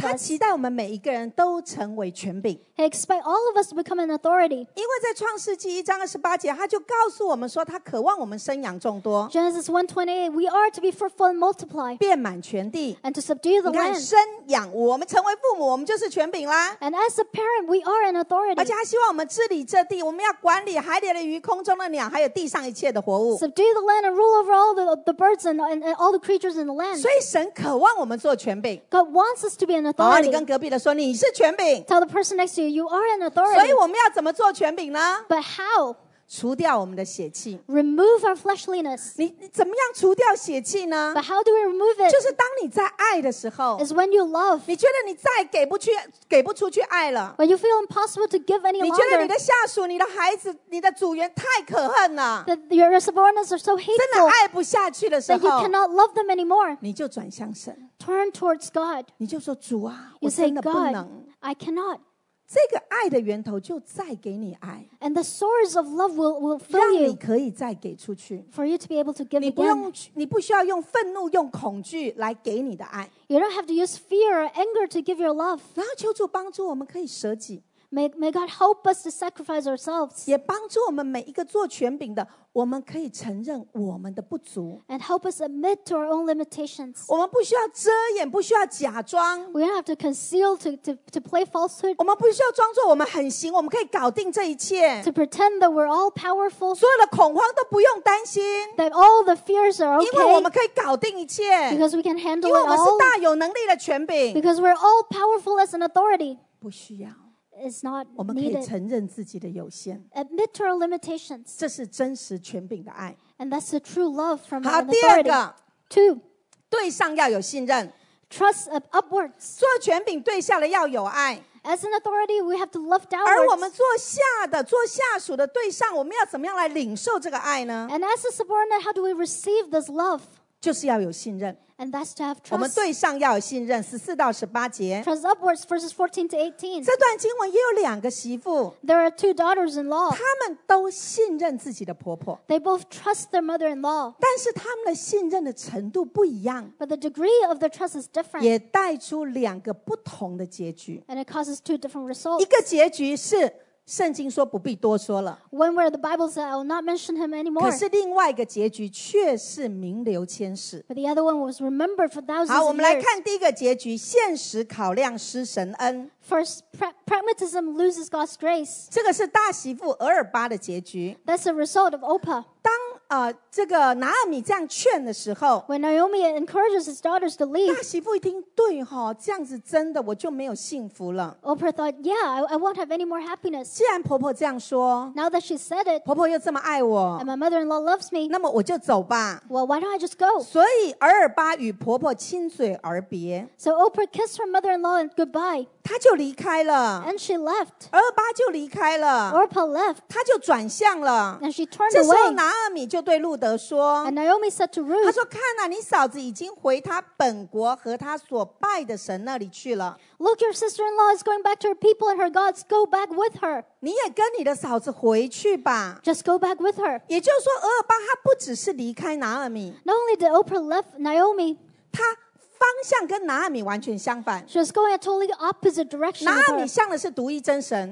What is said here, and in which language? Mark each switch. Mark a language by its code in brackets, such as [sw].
[zh] 他期待我们每一个人都成为权柄。 [en] He expects all of us to become an authority. [zh] 因为在创世纪一章二十八节，他就告诉我们说，他渴望我们生养众多。 [en] Genesis 1:28, we are to be fruitful and multiply. [zh] 遍满全地。 [en] And to subdue the land. [zh] 你看生养，我们成为父母，我们就是权柄啦。 [en] And as a parent, we are an authority. [zh] 而且他希望我们治理这地，我们要管理海里的鱼、空中的鸟，还有地上一切的活物。 [en] Subdue the land and rule over all the birds and all the creatures in the land. [zh] 所以神渴望我们做权柄。 [en] God wants us to be an authority. [zh] 你跟隔壁的说你是权柄。 [en] Tell the person next to you are an authority. [zh] 所以我们要怎么做权柄呢？ [en] But how? [zh] 除掉我们的血气。 [en] Remove our fleshliness. [zh] 你怎么样除掉血气呢？ [en] But how do we remove it? [zh] 就是当你在爱的时候。 [en] Is when you love. [zh] 你觉得你再给不出去爱了。 [en] When you feel impossible to give any longer. [zh] 你觉得你的下属、你的孩子、你的组员太可恨了。 [en] That your subordinates are so hateful. [zh] 真的爱不下去的时候。 [en] That you cannot love them anymore. [zh] 你就转向神。 [en] Turn towards God. [zh] 你就说主啊，我真的不能。 [en] I cannot. [zh] 这个爱的源头就再给你爱。 [en] And the source of love will fill you. [zh] 让你可以再给出去。 [en] For you to be able to give again. [zh] 你不需要用愤怒、用恐惧来给你的爱。 [en] You don't have to use fear or anger to give your love. [zh] 然后求主帮助我们可以舍己。 [en] May God help us to sacrifice ourselves. [zh] 也帮助我们每一个做权柄的，我们可以承认我们的不足。 [en] And help us admit to our own limitations. [zh] 我们不需要遮掩，不需要假装。 [en] We don't have to conceal to play falsehood. [zh] 我们不需要装作我们很行，我们可以搞定这一切。 [en] To pretend that we're all powerful. [zh] 所有的恐慌都不用担心。 [en] That all the fears are okay. [zh] 因为我们可以搞定一切。 [en] Because we can handle it all. [zh] 因为我们是大有能力的权柄。 [en] Because we're all powerful as an authority. [zh] 不需要。 [en] It's not needed. [zh] 我们可以承认自己的有限。 [en] Admit to our limitations. [zh] 这是真实权柄的爱。 [en] And that's the true love from an authority. [zh] 好，第二个。 [en] Two. [zh] 对上要有信任。 [en] Trust upwards. [zh] 做权柄对下的要有爱。 [en] As an authority, we have to love downwards. [zh] 而我们做下的、做下属的对上，我们要怎么样来领受这个爱呢？ [en] And as a subordinate, how do we receive this love? [zh] 就是要有信任。 [en] And that's to have trust. [zh] 我们对上要有信任，十四到十八节。 [en] Trust upwards, verses 14-18. [zh] 这段经文也有两个媳妇。 [en] There are two daughters-in-law. [zh] 她们都信任自己的婆婆。 [en] They both trust their mother-in-law. [zh] 但是她们的信任的程度不一样。 [en] But the degree of their trust is different. [zh] 也带出两个不同的结局。 [en] And it causes two different results. [zh] 一个结局是圣经说不必多说了。 [en] One where the Bible says I will not mention him anymore. [zh] 可是另外一个结局却是名留千史。 [en] But the other one was remembered for thousands of years. [zh] 好，我们来看第一个结局：现实考量失神恩。 [en] First, pragmatism loses God's grace. [zh] 这个是大媳妇俄尔巴的结局。 [en] That's the result of Orpah. [zh] 当这个拿俄米这样劝的时候 [en] ，When Naomi encourages his daughters to leave, [zh] 大媳妇一听，对哈，这样子真的我就没有幸福了。 [en] Oprah thought, yeah, I won't have any more happiness. [zh] 既然婆婆这样说 [en] ，Now that she said it, [zh] 婆婆又这么爱我 [en] ，And my mother-in-law loves me, [zh] 那么我就走吧。 [en] Well, why don't I just go? [zh] 所以俄尔巴与婆婆亲嘴而别 [en] ，So Oprah kissed her mother-in-law and goodbye. [zh] 她就离开了 [en] ，And she left. [zh] 俄尔巴就离开了 [en] ，Oprah left. [zh] 她就转向了 [en] ，And she turned away. [zh] 这时候拿俄米就对路德说 [en] And Naomi said to Ruth, [zh] 他说看啊你嫂子已经回她本国和她所拜的神那里去了 [en] Look, your sister-in-law is going back to her people and her gods. Go back with her. [zh] 你也跟你的嫂子回去吧 [en] Just go back with her. [zh] 也就是说俄尔巴他不只是离开拿俄米 [en] Not only did Oprah left Naomi, [zh] 他方向跟拿俄米完全相反 [en] She was going a totally opposite direction [zh] 拿俄米向的是独一真神